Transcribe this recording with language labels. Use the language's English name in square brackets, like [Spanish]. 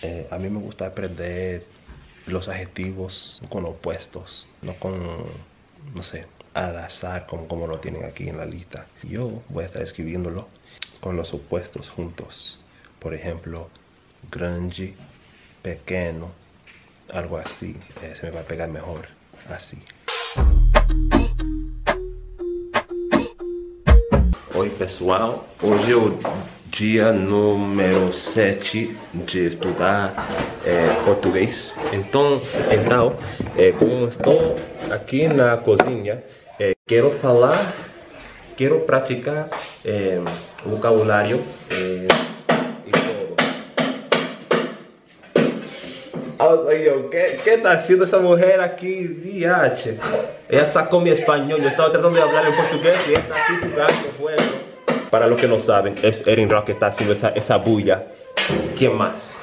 [Spanish] A mí me gusta aprender los adjetivos con opuestos, no con, no sé, al azar como lo tienen aquí en la lista. Yo voy a estar escribiéndolo con los opuestos juntos. Por ejemplo, grande, pequeño, algo así. Se me va a pegar mejor así. [Portuguese] Oi pessoal, hoje é o dia número 7 de estudar português. Então, como estou aqui na cozinha, quero falar, quero praticar vocabulário e todo. Que tá sendo essa mulher aqui, viate? Essa come espanhol, eu estava tentando de falar em português e está aqui jogando fogo. [Spanish] Para los que no saben, es Erin Rock que está haciendo esa bulla. ¿Quién más?